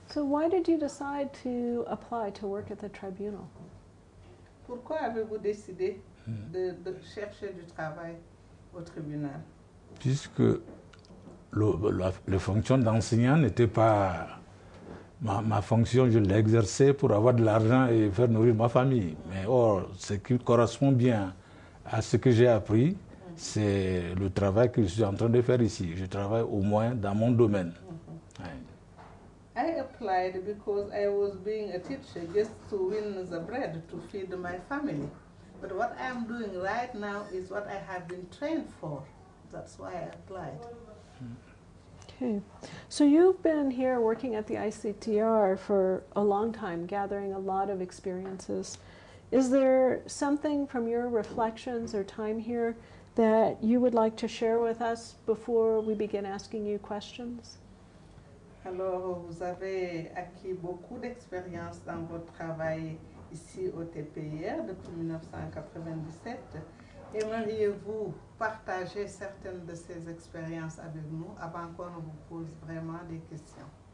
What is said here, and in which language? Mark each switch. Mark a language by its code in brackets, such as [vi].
[en] So why did you decide to apply to work at the tribunal? [fr] Pourquoi avez-vous décidé de chercher du travail au tribunal? Puisque la fonction d'enseignant n'était pas ma fonction, je l'exerçais pour avoir de l'argent et faire nourrir ma famille. Mais or, ce qui correspond bien à ce que j'ai appris, c'est le travail que je suis en train de faire ici. Je travaille au moins dans mon domaine. Ouais. [en] I applied because I was being a teacher just to win the bread to feed my family. But what I am doing right now is what I have been trained for. That's why I applied. Okay. So you've been here working at the ICTR for a long time, gathering a lot of experiences. Is there something from your reflections or time here that you would like to share with us before we begin asking you questions? [fr] Alors, vous avez acquis beaucoup d'expérience dans votre travail ici au TPIR depuis 1997. Aimeriez-vous partager certaines de ces expériences avec nous avant qu'on ne vous pose vraiment des questions?